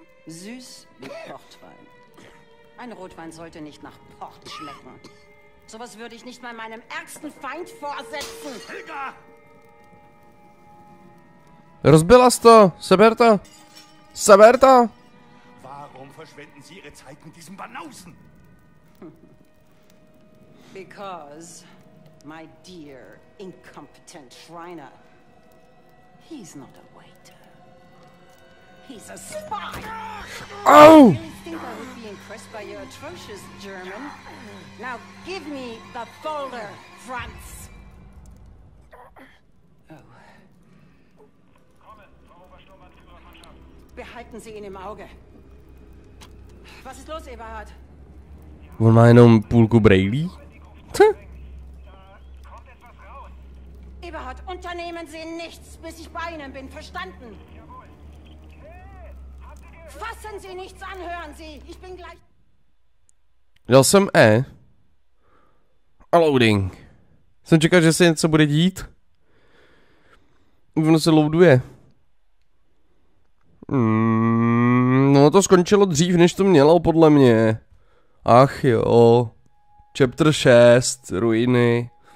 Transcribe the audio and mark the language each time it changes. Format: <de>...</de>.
<de>Süß wie Portwein. Ein Rotwein sollte nicht nach Port schmecken. Sowas würde ich nicht mal meinem ärgsten Feind vorsetzen. Helga!</de> <cs>Rozbila jsi to, Seberta? Saberta?</cs> <de>Warum verschwenden Sie Ihre Zeit mit diesem Banausen?</de> <en>Because, my dear incompetent Schreiner, he's not a waiter. He's a spy. Oh! You think I would be impressed by your atrocious German? Now give me the folder, Franz.</en> <de>Behalten Sie ihn im Auge. Was ist los, Eberhard? Wir haben</de> <cs>On má jenom půlku brejlí? Co?</cs> <de>Eberhard, unternehmen Sie nichts, bis ich bei Ihnen bin, verstanden? Fassen Sie nichts an, hören Sie, ich bin gleich...</de> <cs>Dal jsem E. A loading. Jsem čekal, že se něco bude dít. Ono se loaduje. No to skončilo dřív, než to mělo, podle mě. Ach jo.</cs> <en>Chapter 6,</en> <cs>ruiny.</cs>